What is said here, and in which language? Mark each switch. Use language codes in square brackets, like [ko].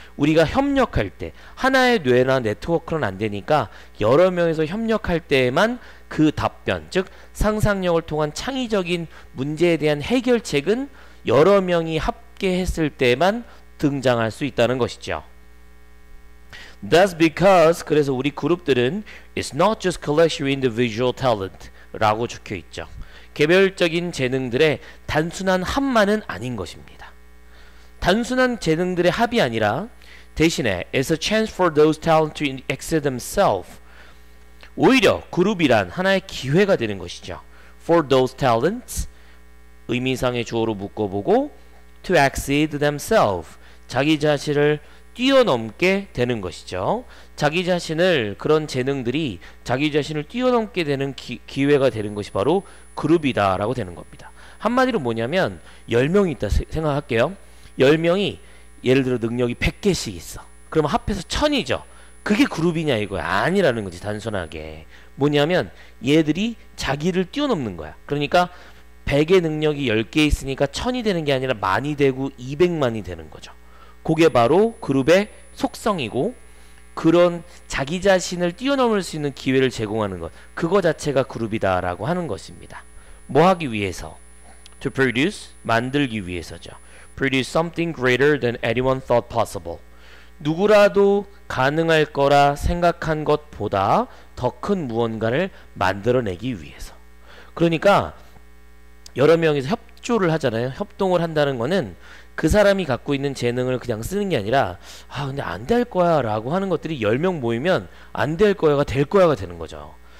[ko] 우리가 협력할 때 하나의 뇌나 네트워크는 안 되니까 여러 명에서 협력할 때에만 그 답변, 즉 상상력을 통한 창의적인 문제에 대한 해결책은 여러 명이 합계했을 때에만 등장할 수 있다는 것이죠. [en] That's because [ko] 그래서 우리 그룹들은 [en] it's not just collection of individual talent [ko] 라고 적혀 있죠. 개별적인 재능들의 단순한 합만은 아닌 것입니다. 단순한 재능들의 합이 아니라 대신에 [en] it's a chance for those talents to exceed themselves. [ko] 오히려 그룹이란 하나의 기회가 되는 것이죠. [en] For those talents [ko] 의미상의 주어로 묶어보고 [en] to exceed themselves [ko] 자기 자신을 뛰어넘게 되는 것이죠. 자기 자신을 그런 재능들이 자기 자신을 뛰어넘게 되는 기회가 되는 것이 바로 그룹이다 라고 되는 겁니다. 한마디로 뭐냐면 10명이 있다 생각할게요. 10명이 예를 들어 능력이 100개씩 있어. 그러면 합해서 1000이죠. 그게 그룹이냐 이거야. 아니라는 거지 단순하게. 뭐냐면 얘들이 자기를 뛰어넘는 거야. 그러니까 100의 능력이 10개 있으니까 1000이 되는 게 아니라 만이 되고 200만이 되는 거죠. 그게 바로 그룹의 속성이고 그런 자기 자신을 뛰어넘을 수 있는 기회를 제공하는 것. 그거 자체가 그룹이다라고 하는 것입니다. 뭐 하기 위해서? [en] To produce, [ko] 만들기 위해서죠. [en] Produce something greater than anyone thought possible. [ko] 누구라도 가능할 거라 생각한 것보다 더 큰 무언가를 만들어내기 위해서. 그러니까 여러 명이서 협조를 하잖아요. 협동을 한다는 거는 그 사람이 갖고 있는 재능을 그냥 쓰는 게 아니라 아 근데 안 될 거야 라고 하는 것들이 10명 모이면 안 될 거야가 될 거야가 되는 거죠.